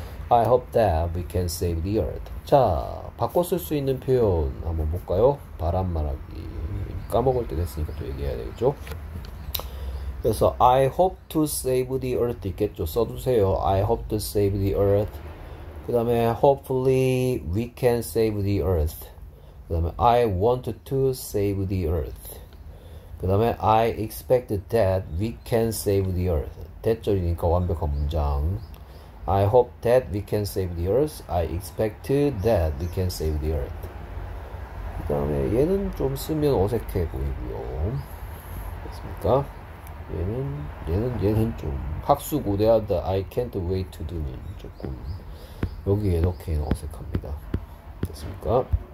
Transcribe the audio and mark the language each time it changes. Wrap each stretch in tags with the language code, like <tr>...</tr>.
<en>I hope that we can save the earth.</en> <ko>자, 바꿔 쓸수 있는 표현 한번 볼까요? 바람 말하기. 까먹을 때 됐으니까 또 얘기해야 되겠죠? 그래서</ko> <en>I hope to save the earth</en> <ko>있겠죠? 써두세요.</ko> <en>I hope to save the earth.</en> <ko>그 다음에</ko> <en>hopefully we can save the earth.</en> <ko>그 다음에</ko> <en>I want to save the earth. 그 다음에 I expect that we can save the earth.</en> <ko>that절이니까 완벽한 문장.</ko> <en>I hope that we can save the earth. I expect that we can save the earth.</en> <ko>그 다음에 얘는 좀 쓰면 어색해 보이고요. 됐습니까? 얘는 좀 학수고대하다.</ko> <en>I can't wait to do</en> <ko>는 조금 여기에 넣기에는 어색합니다. 됐습니까?</ko>